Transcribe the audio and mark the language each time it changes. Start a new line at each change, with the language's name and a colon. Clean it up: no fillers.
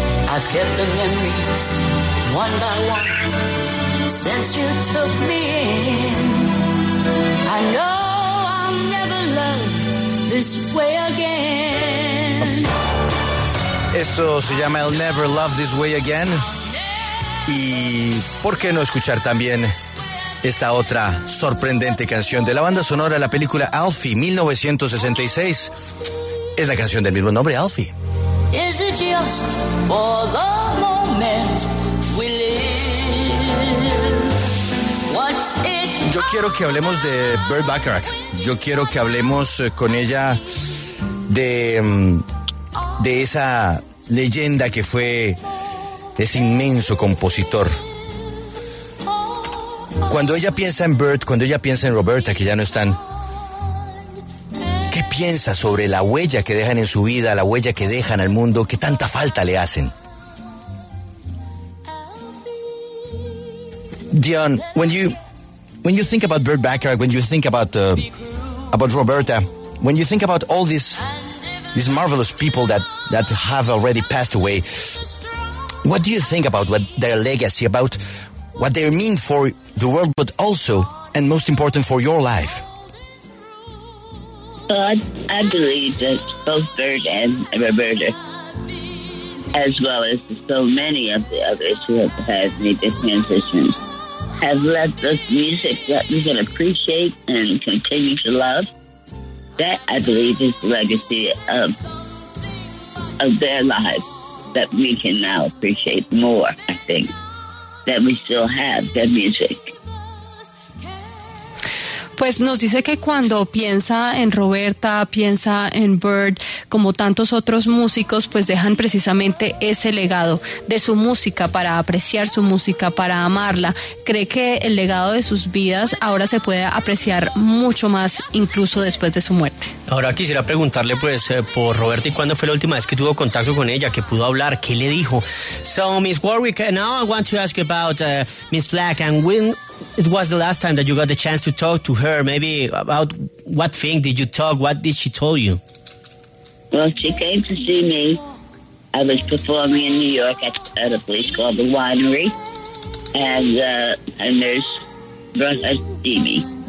English: I've kept the memories one by one since you took me in. I know I'll never love this way again.
Spanish: Esto se llama I'll Never Love This Way Again. Y ¿por qué no escuchar también esta otra sorprendente canción de la banda sonora de la película Alfie, 1966? Es la canción del mismo nombre, Alfie.
English: Is it just for the moment we live?
Spanish: Yo quiero que hablemos de Burt Bacharach. Yo quiero que hablemos con ella de esa leyenda que fue ese inmenso compositor. Cuando ella piensa en Burt, cuando ella piensa en Roberta, que ya no están, ¿qué piensa sobre la huella que dejan en su vida, la huella que dejan al mundo, que tanta falta le hacen?
English: Dionne, when you think about Burt Bacharach, when you think about Roberta, when you think about all these marvelous people that have already passed away, what do you think about what their legacy, about what they mean for the world, but also, and most important, for your life? Well, I believe that both Bert and Roberta, as well as so many of the others who have had made the transition, have left us music that we can appreciate and continue to love. That, I believe, is the legacy of their lives that we can now appreciate more, I think, that we still have their music.
Spanish: Pues nos dice que cuando piensa en Roberta, piensa en Bird, como tantos otros músicos, pues dejan precisamente ese legado de su música, para apreciar su música, para amarla. Cree que el legado de sus vidas ahora se puede apreciar mucho más, incluso después de su muerte. Ahora quisiera preguntarle, pues, por Roberta, ¿y cuándo fue la última vez que tuvo contacto con ella, que pudo hablar? ¿Qué le dijo?
English: So, Miss Warwick, now I want to ask you about Miss Flack, and when it was the last time that you got the chance to talk to her, maybe about what thing did you talk, what did she tell you? Well, she came to see me. I was performing in New York at a place called The Winery, and a nurse brought us to see me.